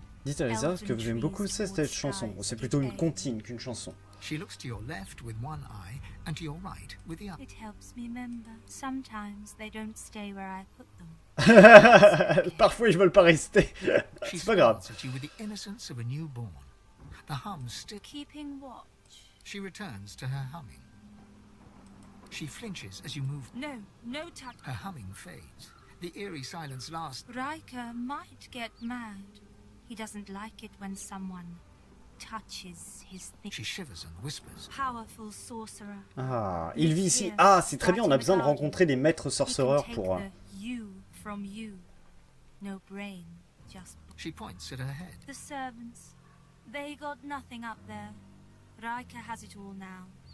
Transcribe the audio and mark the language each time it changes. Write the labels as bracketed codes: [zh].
[fr] Dites à Lisa que vous aimez beaucoup cette chanson. C'est plutôt une comptine qu'une chanson. [en] She looks to your left with one eye and to your right with the other. It helps me remember. Sometimes they don't stay where I put them. [fr] Parfois, ils ne veulent pas rester. C'est pas grave. [en] She smiles with the innocence of a newborn. The hum still keeping watch. She returns to her humming. She flinches as you move. No, no touch. Her humming fades. The eerie silence lasts. Riker might get mad. He doesn't like it when someone touches his thing. She shivers and whispers. Powerful sorcerer. [fr] Ah, il vit ici. Ah, c'est très bien, on a besoin de rencontrer des maîtres sorcereurs pour [en] you from you. No brain, just. She points at her head. The servants. They got nothing up there. Riker has it all now.